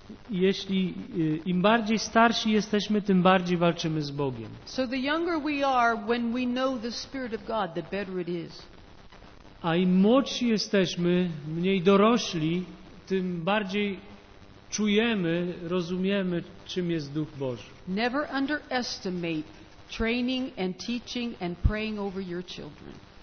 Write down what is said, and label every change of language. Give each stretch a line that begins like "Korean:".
Polish: Jeśli im bardziej starsi jesteśmy, tym bardziej walczymy z Bogiem.
English: So the younger we are when we know the Spirit of God, the better it is.
Polish: A im młodsi jesteśmy, mniej dorośli, tym bardziej czujemy, rozumiemy, czym jest Duch Boży.
English: Never underestimate training and teaching and praying over your children.